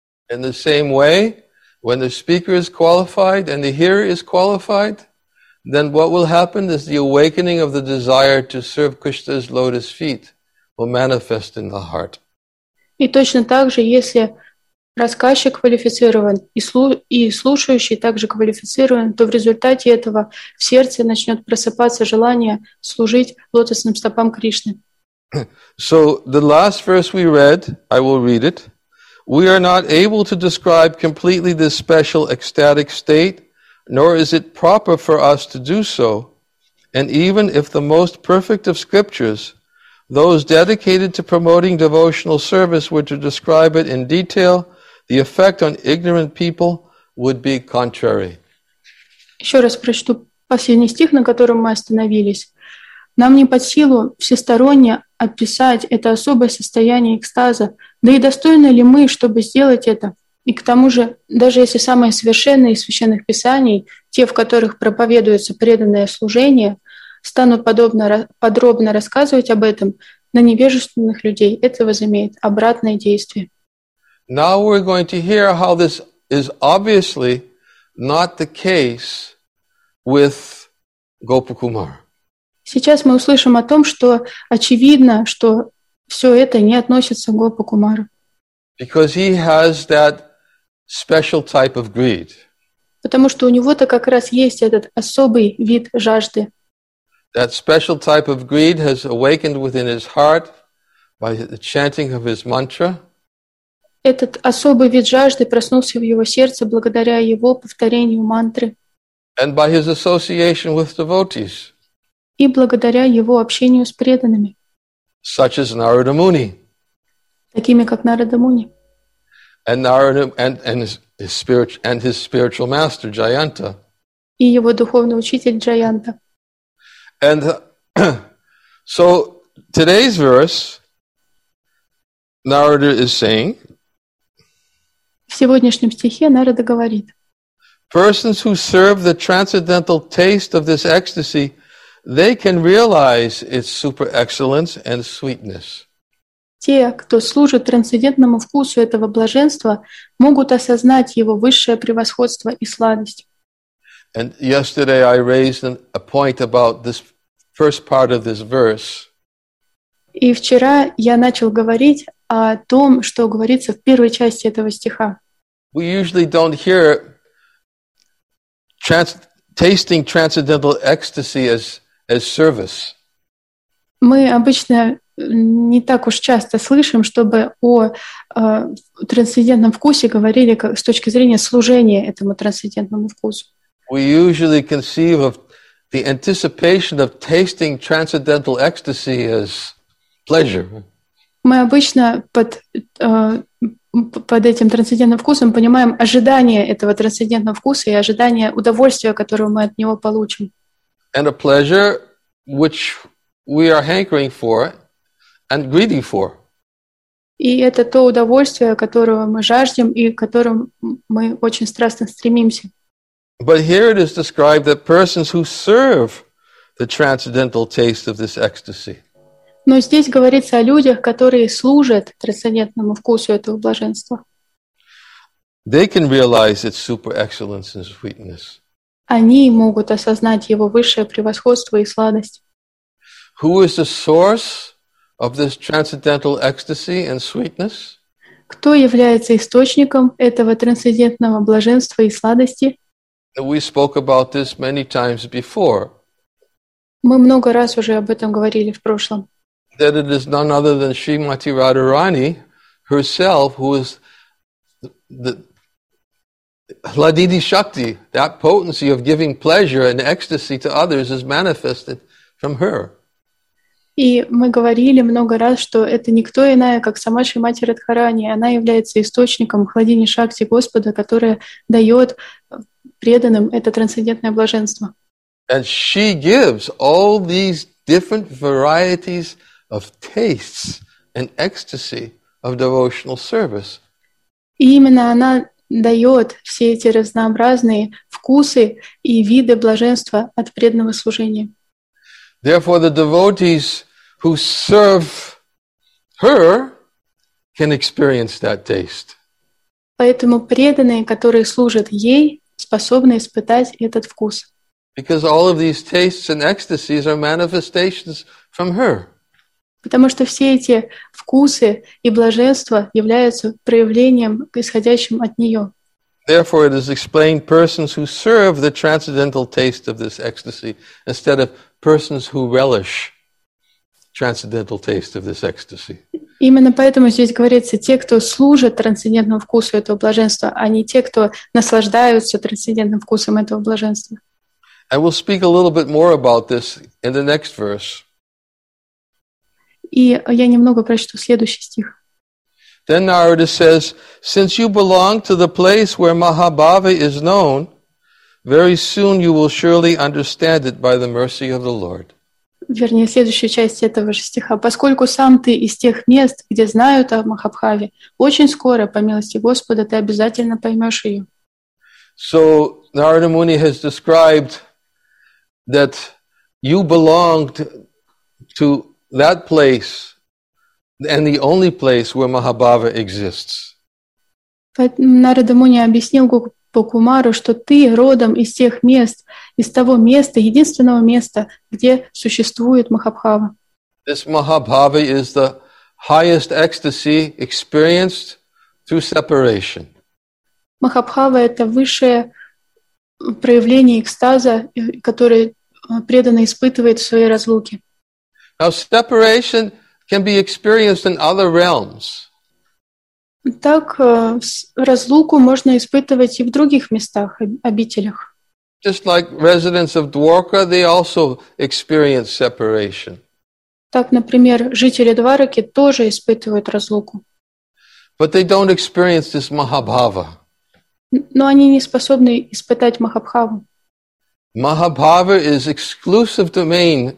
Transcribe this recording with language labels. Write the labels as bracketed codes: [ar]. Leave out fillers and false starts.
[en] In the same way, when the speaker is qualified and the hearer is qualified, then what will happen is the awakening of the desire to serve Krishna's lotus feet will manifest in the heart. [ru] И точно так же, если рассказчик квалифицирован и слушающий также квалифицирован, то в результате этого в сердце начнет просыпаться желание служить лотосным стопам Кришны. [en] So the last verse we read, I will read it. We are not able to describe completely this special ecstatic state, nor is it proper for us to do so. And even if the most perfect of scriptures, those dedicated to promoting devotional service, were to describe it in detail, the effect on ignorant people would be contrary. [ru] Еще раз прочту последний стих, на котором мы остановились. Нам не под силу всесторонне описать это особое состояние экстаза, да и достойны ли мы, чтобы сделать это? И к тому же, даже если самые совершенные из священных писаний, те, в которых проповедуется преданное служение, станут подробно рассказывать об этом, на невежественных людей это возымеет обратное действие. [en] Now we're going to hear how this is obviously not the case with Gopa Kumar. [ru] Сейчас мы услышим о том, что очевидно, что все это не относится к Гопа Кумару. [en] Because he has that special type of greed. [ru] Потому что у него-то как раз есть этот особый вид жажды. [en] That special type of greed has awakened within his heart by the chanting of his mantra. [ru] Этот особый вид жажды проснулся в его сердце благодаря его повторению мантры. [en] And by his association with devotees. [ru] И благодаря его общению с преданными. [en] Such as Narada Muni. [ru] Такими как Нарада Муни. [en] And Narada and his spiritual master Jayanta. [ru] И его духовный учитель Джаянта. [en] And so today's verse Narada is saying. [ru] В сегодняшнем стихе Нарада говорит. [en] Persons who serve the transcendental taste of this ecstasy they can realize its super excellence and sweetness. [ru] Те, кто служит трансцендентному вкусу этого блаженства, могут осознать его высшее превосходство и сладость. [en] And yesterday I raised a point about this first part of this verse. [ru] И вчера я начал говорить о том, что говорится в первой части этого стиха. [en] We usually don't hear tasting transcendental ecstasy as service. [ru] Мы обычно не так уж часто слышим, чтобы о трансцендентном вкусе говорили как, с точки зрения служения этому трансцендентному вкусу. [en] We usually conceive of the anticipation of tasting transcendental ecstasy as pleasure. [ru] Мы обычно под этим трансцендентным вкусом понимаем ожидание этого трансцендентного вкуса и ожидание удовольствия, которое мы от него получим. [en] And a pleasure which we are hankering for and greedy for. [ru] И это то удовольствие, которого мы жаждем и к которому мы очень страстно стремимся. [en] But here it is described that persons who serve the transcendental taste of this ecstasy. [ru] Но здесь говорится о людях, которые служат трансцендентному вкусу этого блаженства. [en] They can realize its super excellence and sweetness. [ru] Они могут осознать его высшее превосходство и сладость. [en] Who is the source of this transcendental ecstasy and sweetness? [ru] Кто является источником этого трансцендентного блаженства и сладости? [en] We spoke about this many times before. [ru] Мы много раз уже об этом говорили в прошлом. [en] That it is none other than Srimati Radharani herself, who is the Hladidi Shakti, that potency of giving pleasure and ecstasy to others is manifested from her. [ru] И мы говорили много раз, что это никто иная, как сама Шримати Радхарани. Она является источником Хладини Шакти Господа, которая дает преданным это трансцендентное блаженство. [en] And she gives all these different varieties of tastes and ecstasy of devotional service. [ru] И именно она дает все эти разнообразные вкусы и виды блаженства от преданного служения. [en] Therefore, the devotees who serve her can experience that taste. [ru] Поэтому преданные, которые служат ей, способны испытать этот вкус. [en] Because all of these tastes and ecstasies are manifestations from her. [ru] Потому что все эти вкусы и блаженства являются проявлением, исходящим от нее. [en] Therefore, it is explained persons who serve the transcendental taste of this ecstasy instead of persons who relish transcendental taste of this ecstasy. [ru] Именно поэтому здесь говорится, те, кто служат трансцендентному вкусу этого блаженства, а не те, кто наслаждаются трансцендентным вкусом этого блаженства. [en] I will speak a little bit more about this in the next verse. [ru] И я немного прочту следующий стих. [en] Then Narada says, since you belong to the place where Mahabhava is known, very soon you will surely understand it by the mercy of the Lord. [ru] Вернее, следующая часть этого же стиха. Поскольку сам ты из тех мест, где знают о Махабхаве, очень скоро, по милости Господа, ты обязательно поймешь ее. [en] So Narada Muni has described that you belonged to that place and the only place where Mahabhava exists. [ru] Нарада Муни объяснил Гопакумару, что ты родом из тех мест, из того места, единственного места, где существует Махабхава. [en] This Mahabhava is the highest ecstasy experienced through separation. [ru] Махабхава — это высшее проявление экстаза, которое преданный испытывает в своей разлуке. [en] Now, separation can be experienced in other realms. [ru] Так, разлуку можно испытывать и в других местах, обителях. [en] Just like residents of Dwarka, they also experience separation. [ru] Так, например, жители Двараки тоже испытывают разлуку. [en] But they don't experience this Mahabhava. [ru] Но они не способны испытать Махабхаву. [en] Mahabhava is exclusive domain.